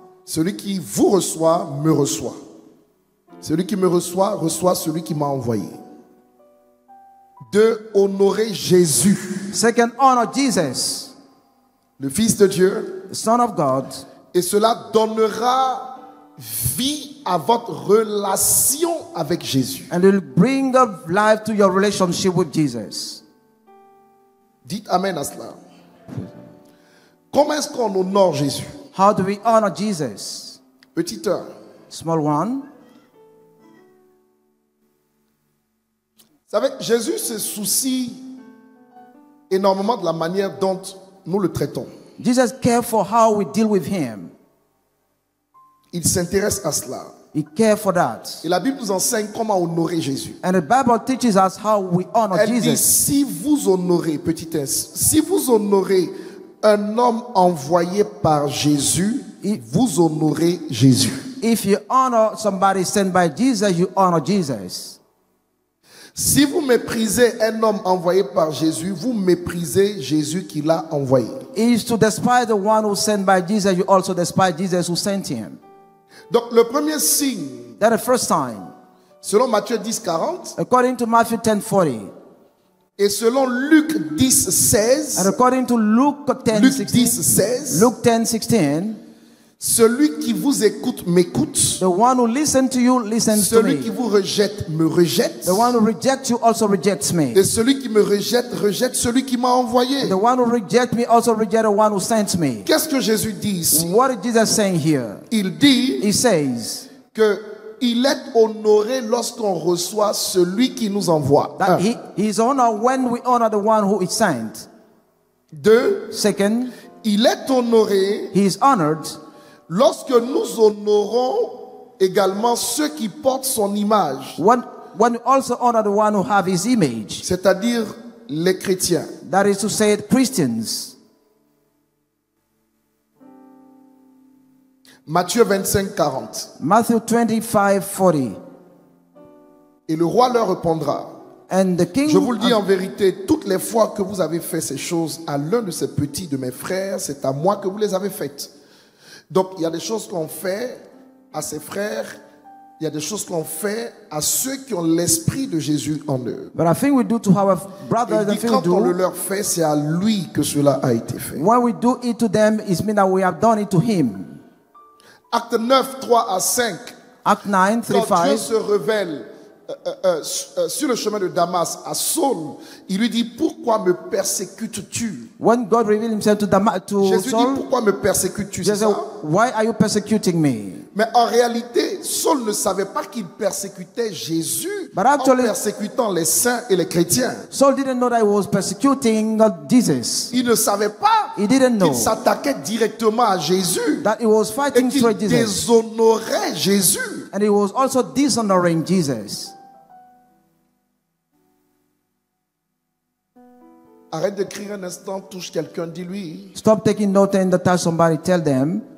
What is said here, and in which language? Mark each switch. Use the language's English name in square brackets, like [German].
[French] Celui qui vous reçoit, me reçoit. Celui qui me reçoit, reçoit celui qui m'a envoyé. De honorer Jésus. [English] Second, honor Jesus. [French] Le Fils de Dieu. [English] The Son of God. [French] Et cela donnera vie à votre relation avec Jésus. [English] And it'll bring up life to your relationship with Jesus. [French] Dites amen à cela. Comment est-ce qu'on honore Jésus? [English] How do we honor Jesus? [French] Petit 1. [English] Small one. [French] Vous savez, Jésus se soucie énormément de la manière dont nous le traitons. [English] Jesus cares for how we deal with him. [French] Il s'intéresse à cela. [English] He cares for that. [French] Et la Bible nous enseigne comment honorer Jésus. [English] And the Bible teaches us how we honor [French] Elle [English] Jesus. [French] Dit, si vous honorez, petit S, si vous honorez un homme envoyé par Jésus, vous honorez Jésus. [English] If you honor somebody sent by Jesus, you honor Jesus. [French] Si vous méprisez un homme envoyé par Jésus, vous méprisez Jésus qui l'a envoyé. [English] If you despise the one who sent by Jesus, you also despise Jesus who sent him. [French] Donc le premier signe, [English] that's the first sign. [French] Selon Matthieu 10:40, [English] according to Matthew 10:40, [French] et selon Luc 10:16, [English] and according to Luke 10:16. [French] Celui qui vous écoute m'écoute. [English] The one who listens to you listens [French] celui [English] to me. [French] Celui qui vous rejette me rejette. [English] The one who rejects you also rejects me. [French] Et celui qui me rejette rejette celui qui m'a envoyé. [English] The one who rejects me also rejects the one who sent me. [French] Qu'est-ce que Jésus dit ici? [English] What is Jesus saying here? [French] Il dit, [English] he says, [French] que il est honoré lorsqu'on reçoit celui qui nous envoie. [English] That he is honored when we honor the one who is sent. [French] Deux. [English] Second. [French] Il est honoré. [English] He is honored. [French] Lorsque nous honorons également ceux qui portent son image, [English] when you also honor the one who have his image, [French] c'est-à-dire les chrétiens, [English] that is to say Christians. [French] Matthieu 25:40. Et le roi leur répondra. [English] And the king, [French] je vous le dis en vérité, toutes les fois que vous avez fait ces choses à l'un de ces petits de mes frères, c'est à moi que vous les avez faites. Donc, il y a des choses qu'on fait à ses frères, il y a des choses qu'on fait à ceux qui ont l'esprit de Jésus en eux. [English] But I think we do to our brothers [French] et quand on le leur fait, c'est à lui que cela a été fait. [English] When we do it to them, it means that we have done it to him. [French] Acte 9:3-5. Acte 9:3-5. Quand Dieu se révèle sur le chemin de Damas à Saul, il lui dit, pourquoi me persécutes-tu? [English] When God revealed himself to Saul, [French] dit, pourquoi me persécutes-tu? [English] Jesus, why are you persecuting me? [French] Mais en réalité, Saul ne savait pas qu'il persécutait Jésus, [English] but actually, [French] en persécutant les saints et les chrétiens. [English] Saul didn't know that he was persecuting Jesus. [French] Il ne savait pas, [English] he didn't know, [French] qu'il s'attaquait directement à Jésus, [English] that he was fighting [French] et qu'il déshonorait Jésus. [English] And he was also dishonoring Jesus. [French] Arrête d'écrire un instant, touche quelqu'un, dis-lui. [English] Stop taking note and touch somebody, tell them.